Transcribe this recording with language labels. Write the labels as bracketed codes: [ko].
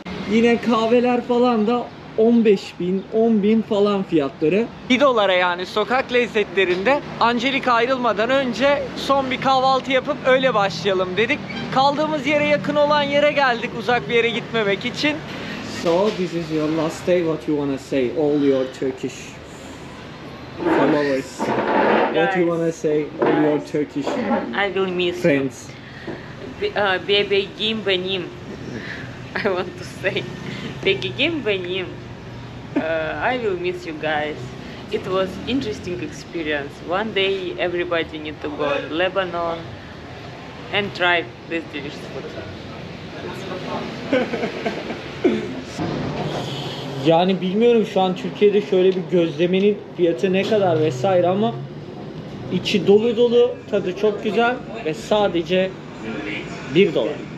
[tr] Yine kahveler falan da 15.000, 10.000 falan fiyatları. 1 dolara yani sokak lezzetlerinde. Angelika ayrılmadan önce son bir kahvaltı yapıp öyle başlayalım dedik. Kaldığımız yere yakın olan yere geldik, uzak bir yere gitmemek için. [en] So this is your last day, what you wanna say? All your Turkish followers. What you wanna say? All your Turkish friends. I will miss friends. [tr] Bebeğim benim. [en] I want to say. [tr] Begim benim. [en] I will miss you guys. It was interesting experience. One day everybody need to go to Lebanon and try this delicious food. [tr] Yani bilmiyorum şu an Türkiye'de şöyle bir gözlemenin fiyatı ne kadar vesaire, ama içi dolu dolu, tadı çok güzel ve sadece 1 dolar.